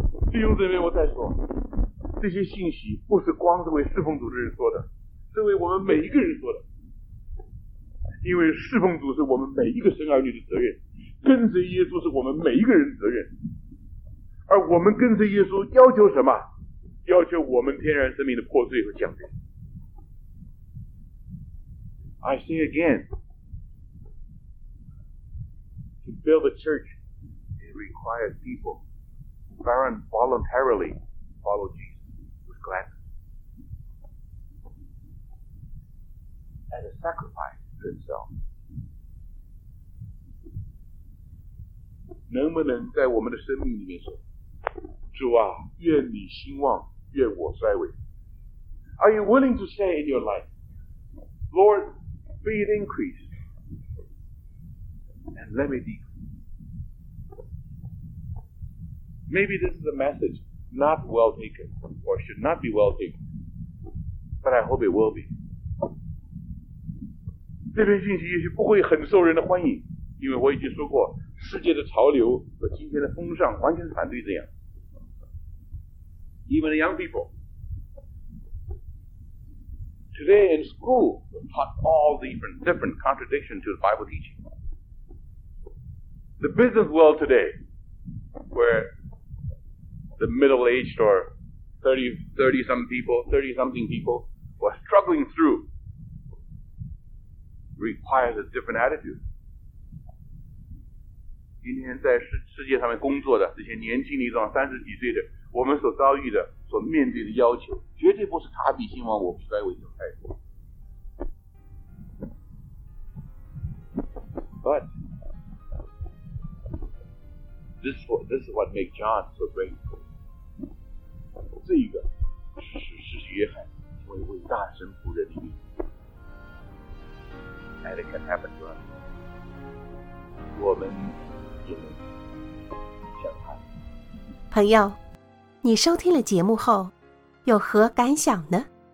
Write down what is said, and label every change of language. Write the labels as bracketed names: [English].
[Chinese] 弟兄姊妹，我再说，这些信息不是光是为侍奉主的人说的，是为我们每一个人说的。因为侍奉主是我们每一个神儿女的责任，跟随耶稣是我们每一个人的责任。而我们跟随耶稣要求什么？要求我们天然生命的破碎和降临。 [English] I say again, to build a church, it requires people who voluntarily follow Jesus with gladness, and to sacrifice themselves. [Chinese] 能不能在我们的生命里面说，主啊，愿你兴旺。愿我衰微。 [English] Are you willing to say in your life, Lord, be it increased, and let me decrease? Maybe this is a message not well taken, or should not be well taken, but I hope it will be. [Chinese] 这篇信息也许不会很受人的欢迎，因为我已经说过，世界的潮流和今天的风尚完全反对这样。 [English] Even the young people. Today in school, we're taught all the different contradictions to the Bible teaching. The business world today, where the middle-aged or 30-something people were struggling through, requires a different attitude. [Chinese] 今天在世界上面工作的这些年轻的一种三十几岁的我们所遭遇的所面对的要求绝对不是他比兴旺我不衰微的态度。 [English] But this is what makes John so great. [Chinese] 这一个是约翰成为伟大神仆人的例子。 [English] And it can happen to us. [Chinese] 我们也能像他。朋友，你收听了节目后有何感想呢？